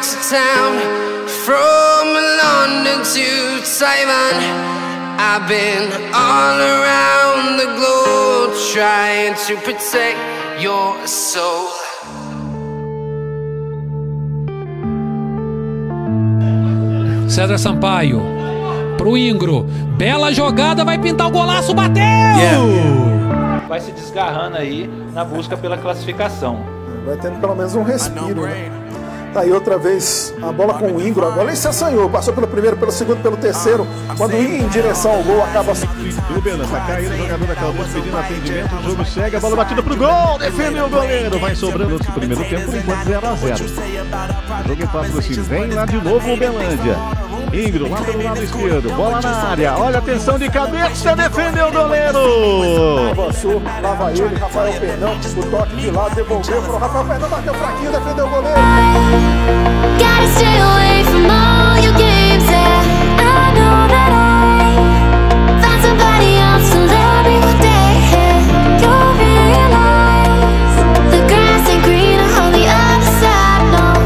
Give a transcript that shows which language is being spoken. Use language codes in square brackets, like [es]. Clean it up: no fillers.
[en] Town, from London to Taiwan, I've been all around the globe trying to protect your soul. [pt] César Sampaio, pro Ingro, bela jogada, vai pintar o golaço, bateu! [en] Yeah. [pt] Vai se desgarrando aí na busca pela classificação. Vai tendo pelo menos um respiro, né? Tá aí outra vez a bola com o Ingro. A bola se assanhou. Passou pelo primeiro, pelo segundo, pelo terceiro. Quando ia em direção ao gol, acaba... Rubena, tá caindo o jogador daquela bola, pedindo atendimento. O jogo segue, a bola batida pro gol. Defende o goleiro. Vai sobrando o primeiro tempo, enquanto 0-0. O jogo passa assim. Vem lá de novo o Belândia. Ingro, lá pelo lado esquerdo. Bola na área. Olha a tensão de cabeça. Defendeu o goleiro. Avançou. Lá vai ele. Rafael Pernão. O toque de lá. Devolveu pro Rafael Pernão. Bateu fraquinho. Defendeu o goleiro. [en] Gotta stay away from all your games, yeah. I know that I found somebody else to love me one day, yeah. You'll realize the grass ain't greener on the other side, no.